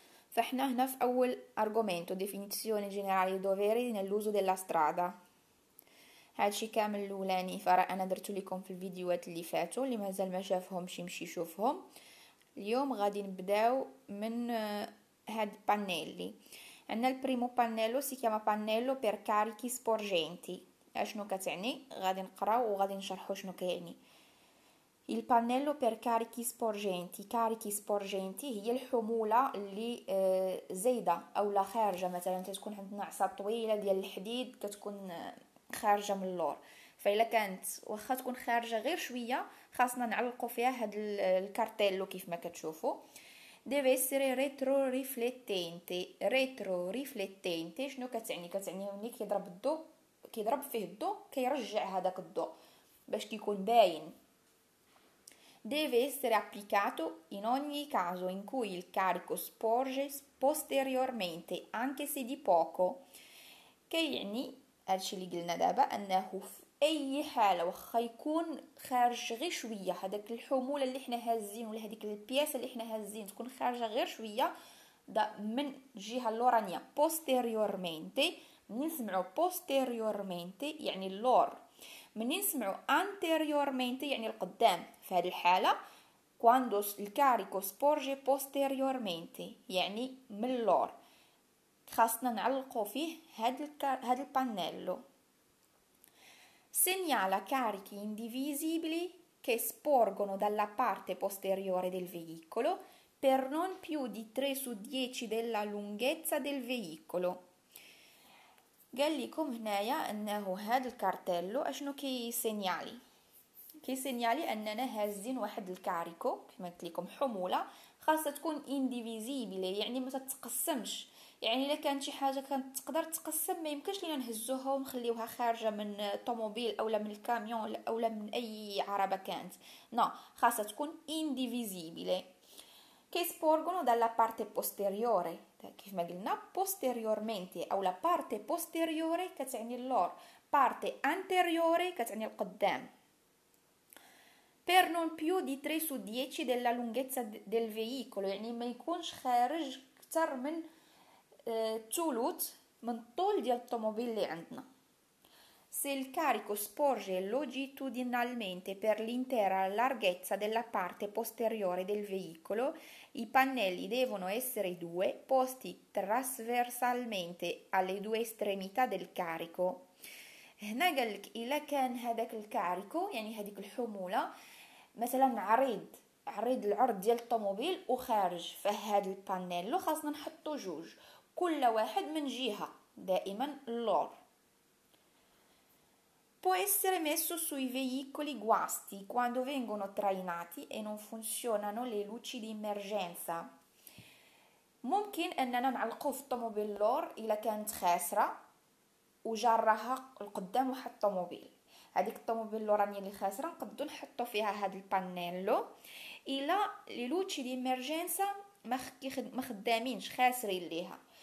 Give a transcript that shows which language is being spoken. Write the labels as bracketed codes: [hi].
[ar] فاحنا هنا في اول [it] ارغومنتو ديفينيزيوني جينيرالي دوفيري نلوزو ديلا سترادا، [ar] هادشي كامل الاولاني فانا درتو لكم في الفيديوهات اللي فاتوا، اللي مازال ما شافهم شي يمشي يشوفهم. اليوم غادي نبداو من هاد بانيلي. عندنا البريمو [it] بانيلو سي كيما بانيلو بير كاريكي سبورجينتي، [ar] اشنو كتعني؟ غادي نقراو وغادي نشرحو شنو كيعني. [it] il pannello per carichi sporgenti. carichi sporgenti [ar] هي الحموله اللي زايده او لا خارجه، مثلا تكون عندنا عصا طويله ديال الحديد كتكون خارجه من اللور، فالا كانت واخا تكون خارجه غير شويه خاصنا نعلقوا فيها هاد الكارتيلو كيف ما كتشوفوا. [it] deve essere retro riflettente. retro riflettente [ar] شنو كتعني؟ كتعني ملي كيضرب الضوء، كيضرب فيه الضوء كيرجع هذاك الضوء باش كيكون باين. [it] deve essere applicato in ogni caso in cui il carico sporge posteriormente anche se di poco. [ar] كيعني هادشي اللي قلنا دابا انه في اي حاله واخا يكون خارج غير شويه هذاك الحموله اللي حنا هازين ولا هذيك البياس اللي حنا هازين تكون خارجه غير شويه دا من جهه اللورانيه posteriormente. ملي نسمعوا posteriormente يعني اللور، ملي نسمعوا anteriormente يعني القدام. في هذه الحاله [it] quando il carico sporge posteriormente [ar] يعني من اللور خاصنا نعلقوا فيه هذا البانيلو. [it] segnala carichi indivisibili che sporgono dalla parte posteriore del veicolo per non più di 3 su 10 della lunghezza del veicolo. [ar] قال لكم هنايا انه هذا الكارتيلو اشنو كيسينيالي؟ كيسينيالي اننا هازين واحد الكاريكو كما قلت لكم حموله خاصها تكون انديفيزيبل يعني ما تتقسمش، يعني الا كانت شي حاجه كانت تقدر تقسم ما يمكنش لينا نهزوها ونخليوها خارجه من الطوموبيل اولا من الكاميون اولا من اي عربه كانت، نو خاصها تكون انديفيزيبل. [it] كيسبورغونو دالا بارتي بوستيريوري [ar] كيف ما قلنا posteriormente او [it] la parte posteriore [ar] كتعني اللور، [it] parte anteriore [ar] كتعني القدام. [it] per non più di 3 su 10 della lunghezza del veicolo [ar] يعني ما يكونش خارج اكثر من ثلث من طول ديال الطوموبيل اللي عندنا. [it] se il carico sporge longitudinalmente per l'intera larghezza della parte posteriore del veicolo i pannelli devono essere due posti trasversalmente alle due estremità del carico. [ar] هنا قالك الا كان هذاك الكاريكو يعني هذيك الحموله مثلا عريض العرض ديال الطوموبيل وخارج، فهاد البانيلو خاصنا نحطو جوج كل واحد من جهه دائما اللور. [it] può essere messo sui veicoli guasti quando vengono trainati e non funzionano le luci di emergenza. [ar] ممكن اننا نعلقو في الطوموبيل لور الا كانت خاسره وجرها القدام واحد الطوموبيل، هذيك الطوموبيل لوراني اللي خاسره نقدو نحطو فيها هاد البانيلو. الا [it] لي لوتشي دي ايمرجنسا [ar] ما خدامينش خاسرين ليها.